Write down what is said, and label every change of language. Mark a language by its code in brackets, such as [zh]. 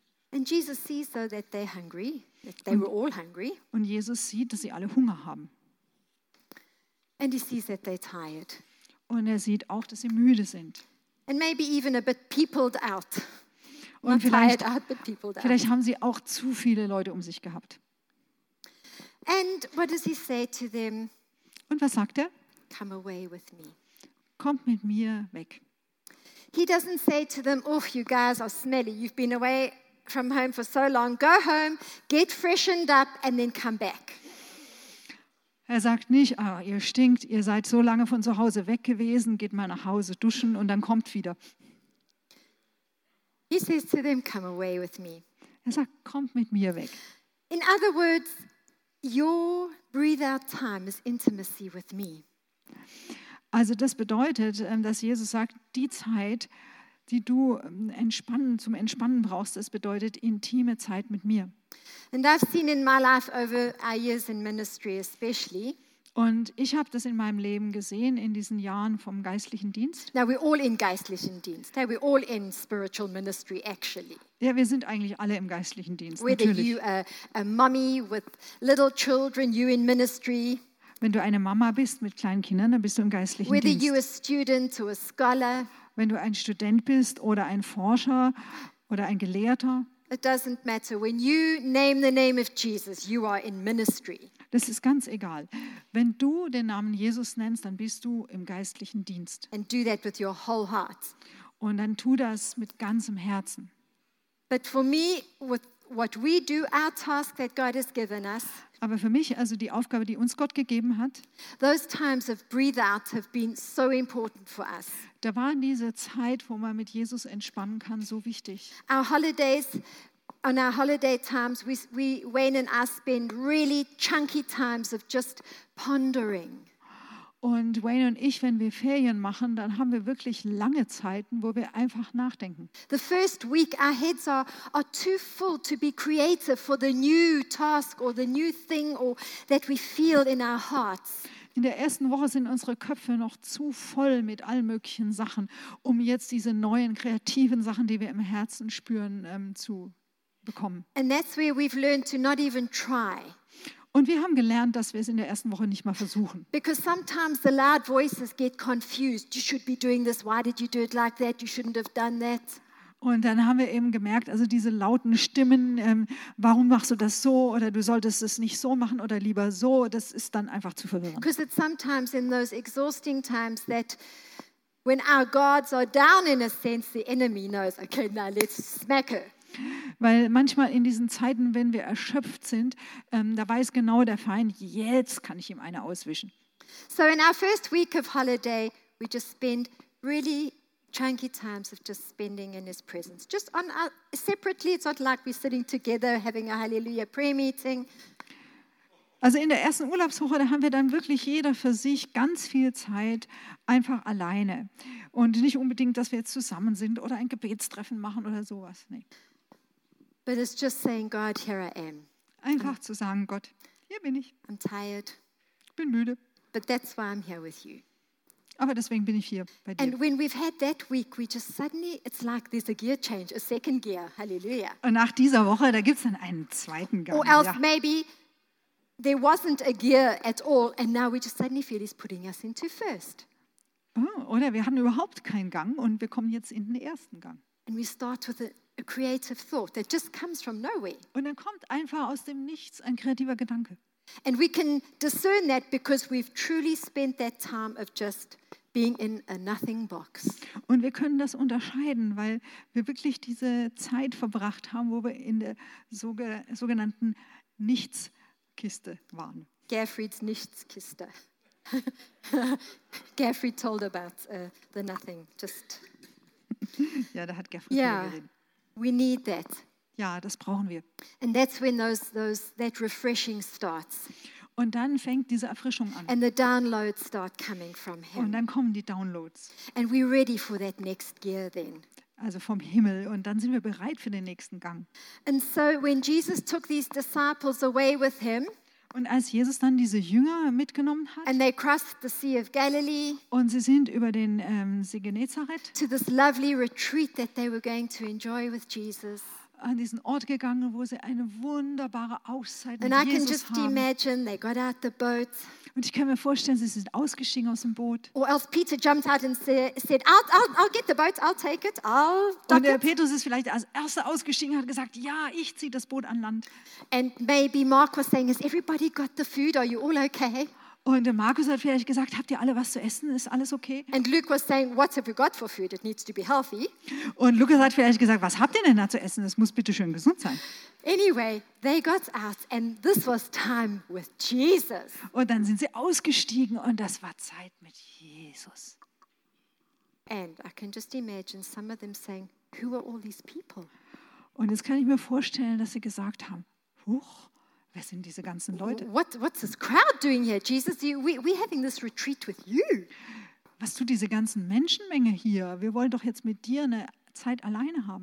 [en] And Jesus sees though that they're hungry, that they were all hungry. [de] Und Jesus sieht, dass sie alle Hunger haben. [en] And he sees that they're tired. [de] Und er sieht auch, dass sie müde sind. [en] And maybe even a bit peopled out. [de] Und vielleicht haben sie auch zu viele Leute um sich gehabt. [en] And what does he say to them? [de] Und was sagt er? [en] Come away with me. [de] Kommt mit mir weg. [en] He doesn't say to them, "Oh, you guys are smelly. You've been away from home for so long. Go home, get freshened up, and then come back." [de] Er sagt nicht, oh, ihr stinkt, ihr seid so lange von zu Hause weg gewesen, geht mal nach Hause duschen und dann kommt wieder. [en] He says to them, "Come away with me." [de] Er sagt, kommt mit mir weg. [en] In other words, your breathe-out time is intimacy with me. [de] Also das bedeutet, dass Jesus sagt, die Zeit, die du entspannen, zum Entspannen brauchst, das bedeutet intime Zeit mit mir. [en] And I've seen in my life over our years in ministry especially. [de] Und ich habe das in meinem Leben gesehen, in diesen Jahren vom geistlichen Dienst. [en] Now we're all in [de] geistlichen Dienst. [en] Now we're all in spiritual ministry actually. [de] Ja, wir sind eigentlich alle im geistlichen Dienst, [en] whether [de] natürlich. [en] Whether you are a mommy with little children, you in ministry. [de] Wenn du eine Mama bist mit kleinen Kindern, dann bist du im geistlichen [en] Whether Whether you a student or a scholar. [de] Wenn du ein Student bist oder ein Forscher oder ein Gelehrter. [en] It doesn't matter. When you name the name of Jesus, you are in ministry. [de] Das ist ganz egal. Wenn du den Namen Jesus nennst, dann bist du im geistlichen Dienst. [en] And do that with your whole heart. [de] Und dann tu das mit ganzem Herzen. [en] But for me, with what we do, our task that God has given us. [de] Aber für mich, also die Aufgabe, die uns Gott gegeben hat. [en] Those times of breathe out have been so important for us. [de] Da waren diese Zeit, wo man mit Jesus entspannen kann, so wichtig. [en] Our holidays, on our holiday times, we Wayne and I spend really chunky times of just pondering. [de] Und Wayne und ich, wenn wir Ferien machen, dann haben wir wirklich lange Zeiten, wo wir einfach nachdenken. [en] The first week, our heads are too full to be creative for the new task or the new thing or that we feel in our hearts. [de] In der ersten Woche sind unsere Köpfe noch zu voll mit allen möglichen Sachen, um jetzt diese neuen kreativen Sachen, die wir im Herzen spüren, zu bekommen. [en] And that's where we've learned to not even try. [de] Und wir haben gelernt, dass wir es in der ersten Woche nicht mal versuchen. [en] Because sometimes the loud voices get confused. You should be doing this. Why did you do it like that? You shouldn't have done that. [de] Und dann haben wir eben gemerkt, also diese lauten Stimmen, warum machst du das so oder du solltest es nicht so machen oder lieber so, das ist dann einfach zu verwirrend. [en] Because it's sometimes in those exhausting times that when our guards are down in a sense, the enemy knows, okay, now let's smack her. [de] Weil manchmal in diesen Zeiten, wenn wir erschöpft sind, da weiß genau der Feind, jetzt kann ich ihm eine auswischen. [en] So in our first week of holiday, we just spend really chunky times of just spending in his presence. Just on our, separately, it's not like we're sitting together having a hallelujah prayer meeting. [de] Also in der ersten Urlaubswoche, da haben wir dann wirklich jeder für sich ganz viel Zeit einfach alleine. Und nicht unbedingt, dass wir jetzt zusammen sind oder ein Gebetstreffen machen oder sowas, nee. [en] But it's just saying, God, here I am. [de] Einfach zu sagen, Gott, hier bin ich. [en] I'm tired. [de] Ich bin müde. [en] But that's why I'm here with you. [de] Aber deswegen bin ich hier bei dir. [en] And when we've had that week, we just suddenly, it's like there's a gear change, a second gear, hallelujah. [de] Und nach dieser Woche, da gibt's dann einen zweiten Gang. [en] Or else maybe there wasn't a gear at all, and now we just suddenly feel he's putting us into first. [de] Oh, oder wir hatten überhaupt keinen Gang und wir kommen jetzt in den ersten Gang. [en] And we start with a a creative thought that just comes from nowhere. [de] Und dann kommt einfach aus dem Nichts ein kreativer Gedanke. [en] And we can discern that because we've truly spent that time of just being in a nothing box. [de] Und wir können das unterscheiden, weil wir wirklich diese Zeit verbracht haben, wo wir in der sogenannten Nichtskiste waren. Gerfried's Nichtskiste. [en] Gerfried told about the nothing, just. [de] Ja, da hat Gerfried [en] We need that. [de] Ja, das brauchen wir. [en] And that's when that refreshing starts. [de] Und dann fängt diese Erfrischung an. [en] And the downloads start coming from him. [de] Und dann kommen die Downloads. [en] And we're ready for that next gear then. [de] Also vom Himmel, und dann sind wir bereit für den nächsten Gang. [en] And so when Jesus took these disciples away with him, [de] und als Jesus dann diese Jünger mitgenommen hat, [en] and they crossed the Sea of Galilee, [de] und sie sind über den See Genezareth [en] to this lovely retreat that they were going to enjoy with Jesus, [de] an diesen Ort gegangen, wo sie eine wunderbare Auszeit [en] and [de] mit [en] I [de] Jesus [en] can just [de] haben. [en] Imagine they got out the boat, [de] und ich kann mir vorstellen, sie sind ausgestiegen aus dem Boot. [en] Or else Peter jumped out and said, I'll get the boat, I'll take it, I'll dock [de] und der Petrus ist vielleicht als Erster ausgestiegen und hat gesagt, ja, ich ziehe das Boot an Land. [en] And maybe Mark was saying, has everybody got the food? Are you all okay? [de] Und Markus hat vielleicht gesagt, habt ihr alle was zu essen? Ist alles okay? [en] And Luke was saying, what have we got for food? It needs to be healthy. [de] Und Lukas hat vielleicht gesagt, was habt ihr denn da zu essen? Es muss bitte schön gesund sein. [en] Anyway, they got out and this was time with Jesus. [de] Und dann sind sie ausgestiegen und das war Zeit mit Jesus. [en] And I can just imagine some of them saying, who are all these people? [de] Und jetzt kann ich mir vorstellen, dass sie gesagt haben, huch. Wer sind diese ganzen Leute? [en] What's this crowd doing here, Jesus? We're having this retreat with you. [de] Was tut diese ganzen Menschenmenge hier? Wir wollen doch jetzt mit dir eine Zeit alleine haben.